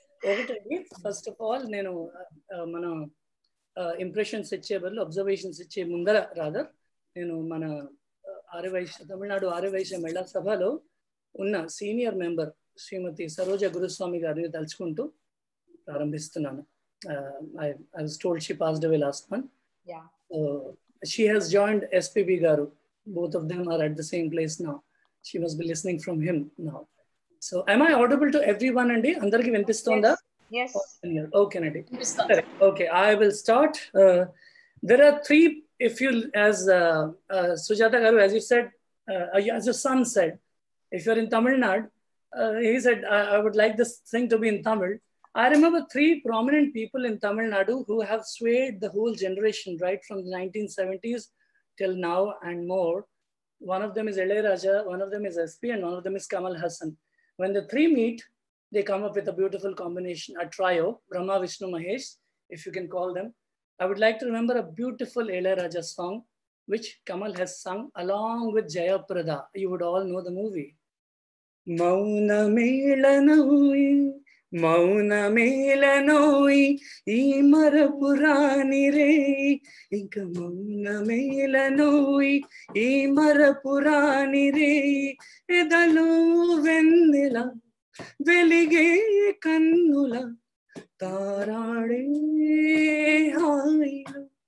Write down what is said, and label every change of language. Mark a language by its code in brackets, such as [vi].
[te] ఒకటండి first of all నేను మన ఇంప్రెషన్స్ ఇచ్చే బదులు అబ్జర్వేషన్స్ ఇచ్చే ముందర రాదర్ నేను మన ఆర్యవైశ్య తమిళనాడు ఆర్యవైశ్య మహిళా సభలో ఉన్న సీనియర్ మెంబర్ శ్రీమతి సరోజ గురుస్వామి గారిని తలుచుకుంటూ ప్రారంభిస్తున్నాను [en] I was told she passed away last month. She has joined SPB Garu. Both of them are at the same place now. She must be listening from him now. So am I audible to everyone andi? [te] Andariki vinipistunda? [en] Yes. Okay, andi. Okay, I will start. There are three, if you, as Sujata Garu, as you said, as your son said, if you're in Tamil Nadu, he said, I would like this thing to be in Tamil. I remember three prominent people in Tamil Nadu who have swayed the whole generation right from the 1970s till now and more. One of them is Ilaiyaraaja, one of them is SP, and one of them is Kamal Hassan. When the three meet, they come up with a beautiful combination, a trio, Brahma, Vishnu, Mahesh, if you can call them. I would like to remember a beautiful Ilaiyaraaja song, which Kamal has sung along with Jayaprada. You would all know the movie. [te] Mauna Milanui మౌన మేలనోయి ఈ మరపురాని రే ఇంక మౌన మేలనోయి ఈ మరపురాని రే ఎదలు వెన్నెల వెలిగే కన్నుల తారాడే హాయిలు